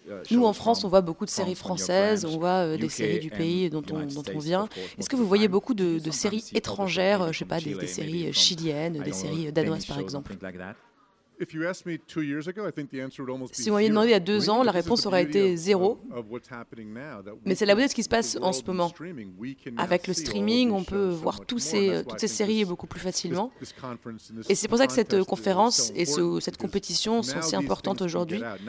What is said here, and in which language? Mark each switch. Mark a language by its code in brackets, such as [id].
[fr] Nous, en France, on voit beaucoup de séries françaises, on voit des séries du pays dont on vient. Est-ce que vous voyez beaucoup de séries étrangères, je ne sais pas, des séries chiliennes, des séries danoises, par exemple? [en] If you asked me 2 years ago, I think the answer would almost be [fr] zero. Si vous m'aviez demandé il y a 2 ans, la réponse aurait été zéro. Mais c'est la beauté de ce qui se passe en ce moment. Avec le streaming, on peut voir toutes ces séries beaucoup plus facilement. Et c'est pour ça que cette conférence et cette compétition sont si importantes aujourd'hui.